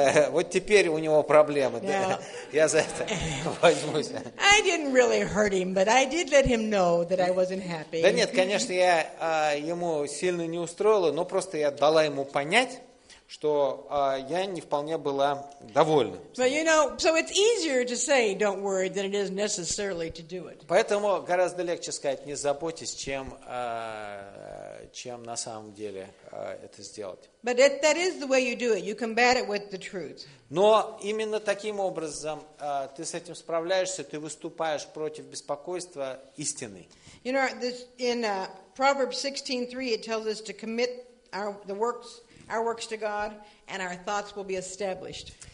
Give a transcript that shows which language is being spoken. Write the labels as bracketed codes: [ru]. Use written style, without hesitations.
[ru] Вот теперь у него проблемы. Я за это возьмусь. [en] I didn't really hurt him, but I did let him know that I wasn't happy. [ru] Да нет, конечно, я ему сильно не устроила, но просто я дала ему понять, что я не вполне была довольна. [en] But, you know, so it's easier to say don't worry than it is necessarily to do it. [ru] Поэтому гораздо легче сказать не заботьтесь, чем на самом деле это сделать. [en] But that is the way you do it. You combat it with the truth. [ru] Но именно таким образом ты с этим справляешься, ты выступаешь против беспокойства истины. [en] You know, in Proverbs 16:3 it tells us to commit our works to God, and our thoughts will be established.